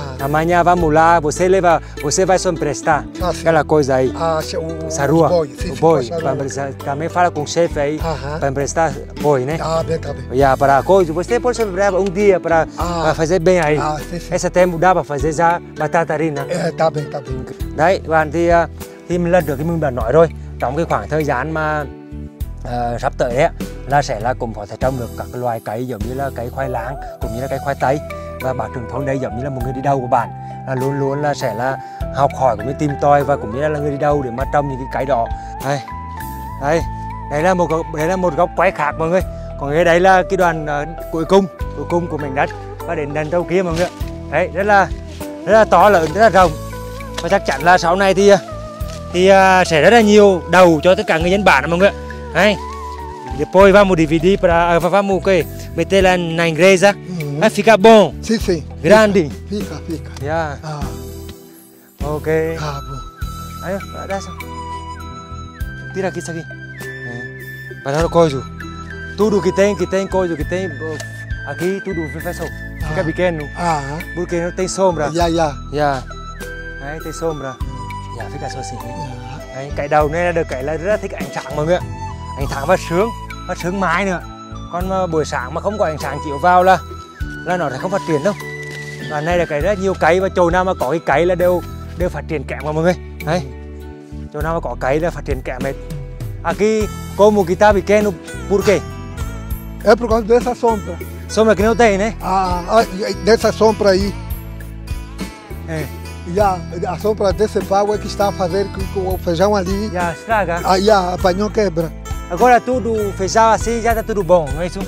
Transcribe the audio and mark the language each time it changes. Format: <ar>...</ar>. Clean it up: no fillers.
<pt>Amanhã vamos lá, você vai só emprestar aquela coisa aí. Essa rua, o boi. Também fala com o chefe aí para emprestar boi, né? Ah, bem, tá bem. Yeah, para a coisa, você pode só emprestar um dia para fazer bem aí. Sim. Esse tempo dá para fazer já batata rina. Tá bem, tá bem.</pt> <vi>Daí, bạn thì mình lần được thì mình đã nói rồi. Trong cái khoảng thời gian mà sắp tới ấy, là sẽ là cũng có thể trồng được các loài cây giống như là cây khoai lang cũng như là cây khoai tây. Và bà Trường Thôn đây giống như là một người đi đầu của bạn, là luôn luôn là sẽ là học hỏi cũng như tìm tòi và cũng như là người đi đầu để mà trồng những cái đó. Đây là một góc quay khác mọi người. Còn cái đấy là cái đoàn cuối cùng của mảnh đất và đến đằng đầu kia mọi người. Đấy, rất là to lớn, rất là rộng. Và chắc chắn là sau này thì sẽ rất là nhiều đầu cho tất cả người dân bản mọi người. Đấy.</vi> <pt>Depois vamos dividir para vamos que meter lá na igreja. Vai ficar bom? Sim, sim. Grande? Fica. Já? Yeah. Ah. Ok. Tá bom. Aí, dá essa. Tira aqui, isso aqui. Vai dar o coiso. Tudo que tem coiso, que tem aqui, tudo fechou. Fica pequeno. Porque não tem sombra. Já, já. Já. Aí, tem sombra. Já, yeah, fica só assim.</pt> <vi>Aí, cái đầu này được cái là rất là thích ánh sáng mọi người ạ. Ánh sáng và sướng mãi nữa. Còn buổi sáng mà không có ánh sáng chiếu vào là nó sẽ không phát triển đâu. Và này là cái rất nhiều cây và chỗ nào mà có cái cây là đều phát triển kém mà mọi người. Đấy. Chỗ nào mà có cây là phát triển kém hết.</vi> <pt>Aqui como que tá pequeno, por quê? É por causa dessa sombra. Sombra que não tem, né? Dessa sombra aí. É. A sombra desse pau é que está a fazer com o feijão ali. Já estraga? Já apanhou, quebra. Agora tudo, o feijão assim já está tudo bom, não é isso?</pt>